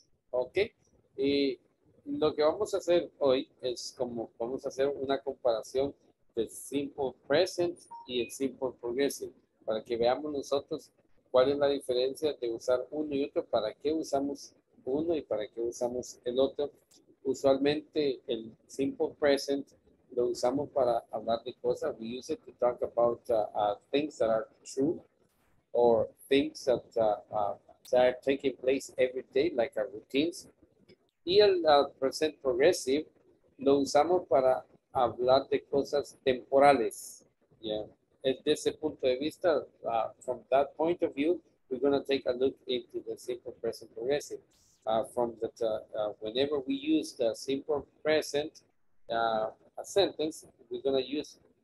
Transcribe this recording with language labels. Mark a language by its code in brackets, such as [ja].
[es] Ok, y lo que vamos a hacer hoy es como vamos a hacer una comparación del simple present y el simple progressive, para que veamos nosotros cuál es la diferencia de usar uno y otro, para qué usamos uno y para qué usamos el otro. Usualmente el simple present lo usamos para hablar de cosas. [en] We use it to talk about things that are true or things that, that are taking place every day, like our routines. [es] Y el present progressive lo usamos para hablar de cosas temporales. [en] Yeah. [es] Desde ese punto de vista, [en] from that point of view, we're going to take a look into the simple present progressive. From that, whenever we use the simple present, a sentence, we're going to use